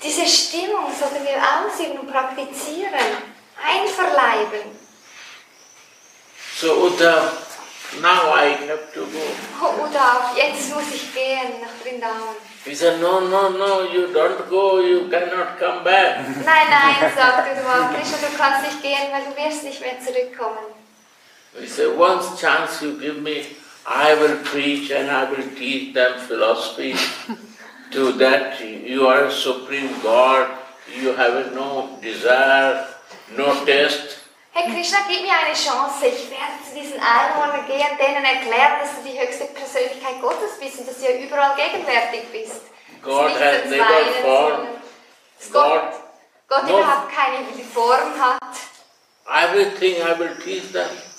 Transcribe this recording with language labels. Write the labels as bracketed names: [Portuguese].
[German] Diese Stimmung sollten wir ausüben und praktizieren, einverleiben. [English] So Uddhav, now I have to go. [German] Oh Uddhav, jetzt muss ich gehen nach Vrindavan. [English] He said, no, you don't go, you cannot come back. [German] Nein, sagt Uddhav, du kannst nicht gehen, weil du wirst nicht mehr zurückkommen. [English] He said, once chance you give me, I will preach and I will teach them philosophy. To that, you are a supreme God, you have no desire, no taste. [German] Hey Krishna, gib mir eine Chance, ich werde zu diesen Einwohnern gehen, denen erklären, dass du die höchste Persönlichkeit Gottes bist und dass du ja überall gegenwärtig bist. [English] God has never formed. [German] Gott überhaupt keine Form hat. [English] Everything I will teach them.